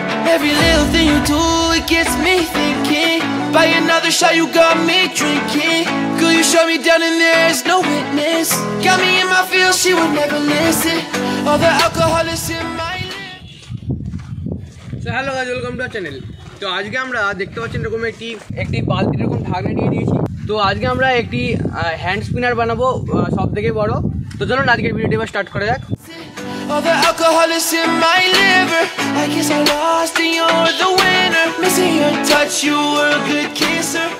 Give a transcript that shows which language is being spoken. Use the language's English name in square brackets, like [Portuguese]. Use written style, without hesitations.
[English] Every little thing you do, it gets me thinking. Buy another shot, you got me drinking. Girl, you shut me down and there's no witness. Got me in my field, she would never listen. All the alcohol is in my lips. So hello guys, welcome to our channel. [Bangla] তো আজকে আমরা দেখতে পাচ্ছেন এরকম একটি একটি বালতি এরকম ঢাকনা নিয়ে নিয়েছি। তো আজকে আমরা একটি হ্যান্ড স্পিনার বানাবো সব থেকে বড়। তো চলো আজকের ভিডিওটি আবার স্টার্ট করা যাক। [English] All the alcohol is in my liver. I guess I lost and you're the winner. Missing your touch, you were a good kisser.